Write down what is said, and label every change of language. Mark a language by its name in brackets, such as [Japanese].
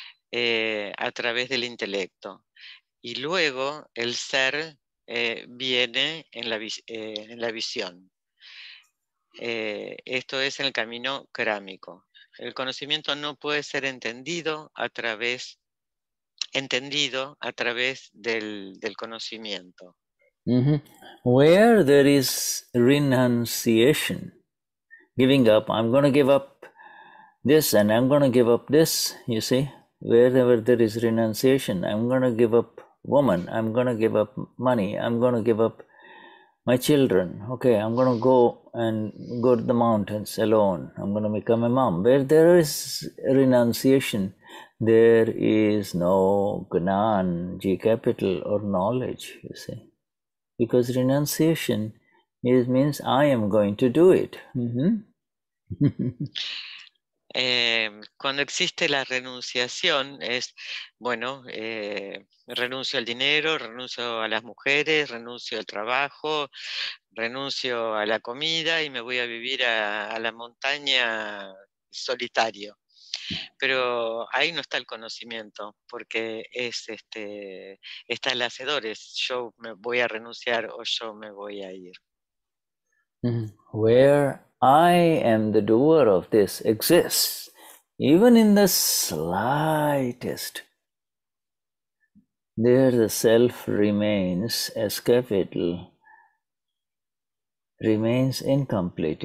[Spanish] A través del intelecto, y luego el ser viene en la visión. Esto es en el camino krámico. El conocimiento no puede ser entendido a través del conocimiento. Mm-hmm. [English] Where there is renunciation, giving up, I'm going to give up this and I'm going to give up this, you see. Wherever there is renunciation, I'm going to give up woman, I'm going to give up money, I'm going to give up my children, okay, I'm going to go to the mountains alone, I'm going to become a mom. Where there is renunciation, there is no gnan, G capital, or knowledge, you see. Because renunciation means I am going to do it. Mm-hmm. [Spanish] Cuando existe la renunciación es, bueno, renuncio al dinero, renuncio a las mujeres, renuncio al trabajo, renuncio a la comida y me voy a vivir a la montaña solitario. pero ahí no está el conocimiento, porque es este, está el hacedor, es yo me voy a renunciar o yo me voy a ir. [English] Where I am the doer of this exists, even in the slightest. There the self remains as capital, remains incomplete.